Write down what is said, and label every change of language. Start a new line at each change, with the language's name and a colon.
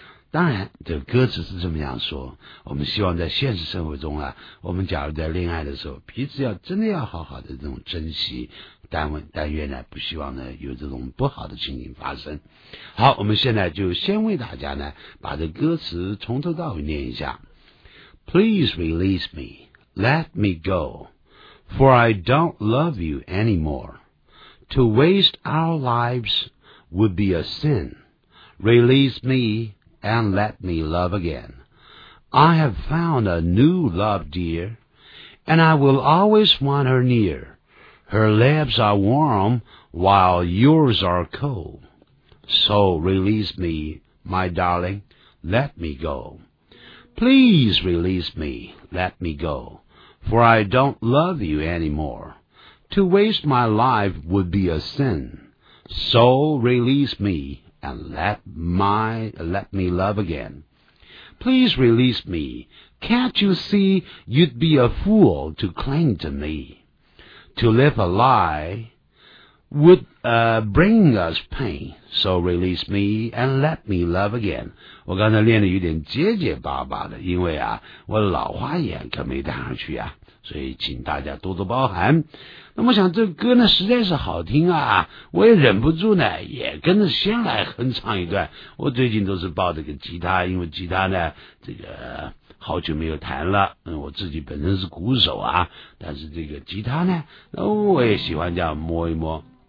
Chinese: 当然这个歌词是这么样说，我们希望在现实生活中啊，我们假如在恋爱的时候彼此要真的要好好的这种珍惜，但愿呢不希望呢有这种不好的情形发生。好，我们现在就先为大家呢把这歌词从头到尾念一下。
English: Please release me, let me go, for I don't love you anymore. To waste our lives would be a sin. Release meAnd let me love again. I have found a new love, dear, and I will always want her near. Her lips are warm while yours are cold. So release me, my darling, let me go. Please release me, let me go, for I don't love you anymore. To waste my life would be a sin. So release meAnd let me love again. Please release me. Can't you see you'd be a fool to cling to me? To live a lie would, bring us pain. So release me and let me love again.
Chinese: 我刚才练得有点结结巴巴的，因为啊，我老花眼可没戴上去啊。所以请大家多多包涵。那么想这歌呢实在是好听啊，我也忍不住呢也跟着先来哼唱一段。我最近都是抱着个吉他，因为吉他呢这个好久没有弹了，我自己本身是鼓手啊，但是这个吉他呢我也喜欢这样摸一摸。